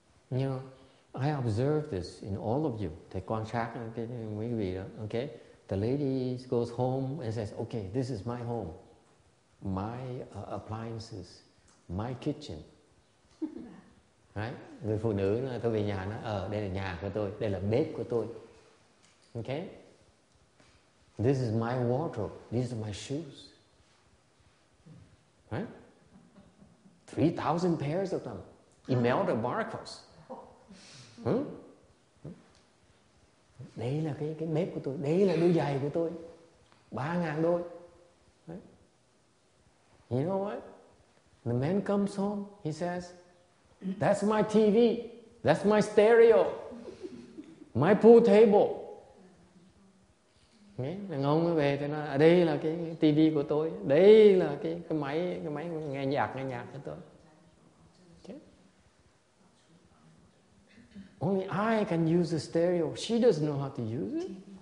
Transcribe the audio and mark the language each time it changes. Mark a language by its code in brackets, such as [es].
[en] You know, I observe this in all of you. [vi] Thầy quan sát cái quý vị đó, okay? [en] The lady goes home and says, okay, this is my home. My appliances, my kitchen. [vi] Đấy, người phụ nữ nói, tôi về nhà nó ở đây là nhà của tôi, đây là bếp của tôi. [en] Okay? This is my wardrobe, these are my shoes. Right? 3,000 pairs of them. Imelda Marcos. [vi] Đây là cái bếp của tôi, đây là đôi giày của tôi. 3,000 đôi. [en] Right? You know what? The man comes home, he says, that's my TV. That's my stereo. My pool table. Okay? [vi] Ông về thì nói, à, đây là cái TV của tôi. Đây là cái máy nghe nhạc của tôi. [en] Okay? Only I can use the stereo. She doesn't know how to use it.